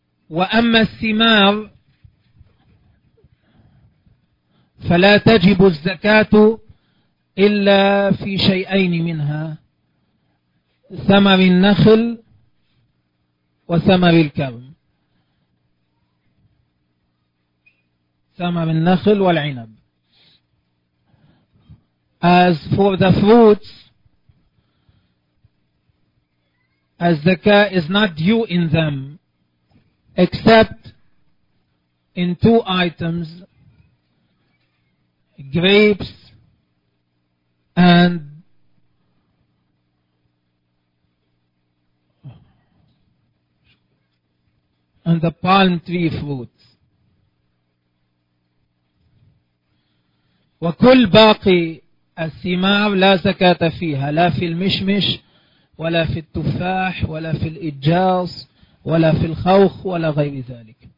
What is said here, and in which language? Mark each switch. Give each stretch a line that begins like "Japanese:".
Arabic: وأما الثمار فلا تجب الزكاة إلا في شيئين منها ثمر النخل وثمر الكرم ثمر النخل والعنب.
English: As for the fruits, الزكاة is not due in them except in two items, grapes and the palm tree fruits.
Arabic: وكل باقي الثمار لا زكاة فيها لا في المشمش ولا في التفاح ولا في الإجاص ولا في الخوخ ولا غير ذلك.